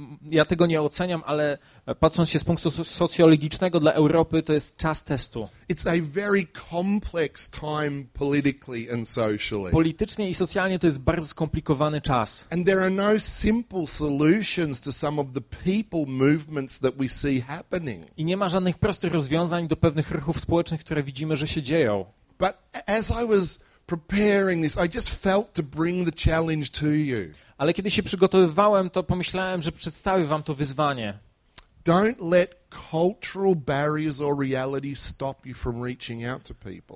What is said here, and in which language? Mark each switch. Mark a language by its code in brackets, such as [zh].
[pl] Ja tego nie oceniam, ale patrząc się z punktu socjologicznego dla Europy, to jest czas testu. [en] It's a very complex time politically and socially. [pl] Politycznie i socjalnie to jest bardzo skomplikowany czas. [en] And there are no simple solutions to some of the people movements that we see happening. [pl] I nie ma żadnych prostych rozwiązań do pewnych ruchów społecznych, które widzimy, że się dzieją. [en] But as I was preparing this, I just felt to bring the challenge to you. [pl] Ale kiedy się przygotowywałem, to pomyślałem, że przedstawię wam to wyzwanie. [en] Don't let cultural barriers or reality stop you from reaching out to people.